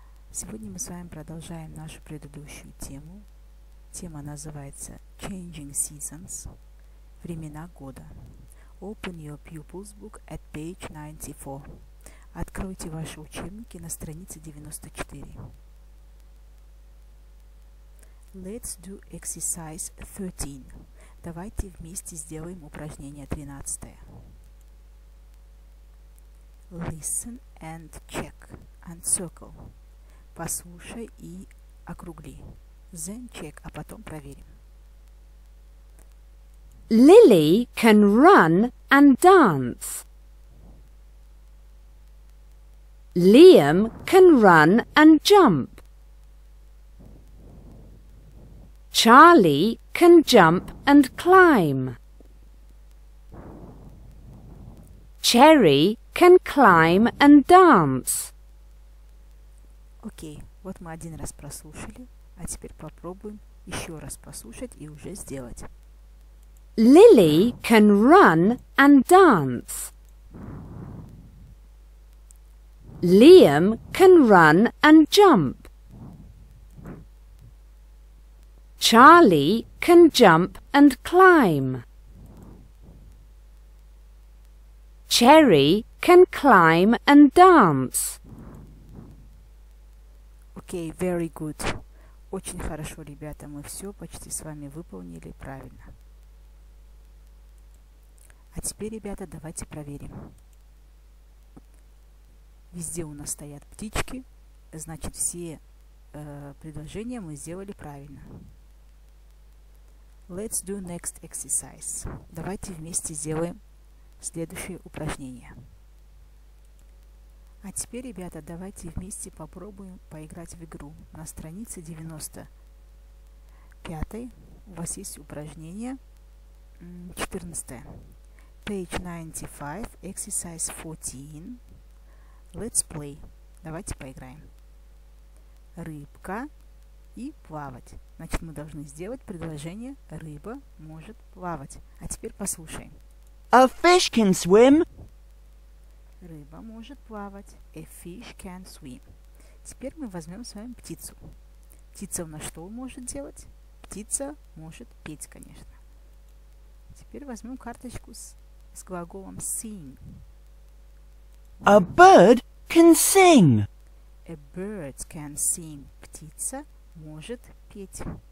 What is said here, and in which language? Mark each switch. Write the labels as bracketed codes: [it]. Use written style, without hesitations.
[ru] Сегодня мы с вами продолжаем нашу предыдущую тему. Тема называется Changing Seasons. Времена года. [en] Open your pupils book at page 94. [ru] Откройте ваши учебники на странице 94. [en] Let's do exercise 13. [ru] Давайте вместе сделаем упражнение 13. [en] Listen and check and circle. [ru] Послушай и округли. [en] Then check, [ru] а потом проверим. [en] Lily can run and dance. Liam can run and jump. Charlie can jump and climb. Cherry can climb and dance. [ru] Окей, вот мы один раз прослушали, а теперь попробуем еще раз послушать и уже сделать. Lily can run and dance. Liam can run and jump. Charlie can jump and climb. Cherry can climb and dance. [en] Okay, very good. [ru] Очень хорошо, ребята, мы все почти с вами выполнили правильно. А теперь, ребята, давайте проверим. Везде у нас стоят птички, значит, все предложения мы сделали правильно. [en] Let's do next exercise. [ru] Давайте вместе сделаем следующее упражнение. А теперь, ребята, давайте вместе попробуем поиграть в игру. На странице 95 у вас есть упражнение 14. [en] Page 95, exercise 14. Let's play. [ru] Давайте поиграем. Рыбка и плавать. Значит, мы должны сделать предложение «Рыба может плавать». А теперь послушаем. [en] A fish can swim. [ru] Рыба может плавать. [en] A fish can swim. [ru] Теперь мы возьмем с вами птицу. Птица у нас что может делать? Птица может петь, конечно. Теперь возьмем карточку с глаголом sing. [en] A bird can sing. A bird can sing. [ru] Птица может петь.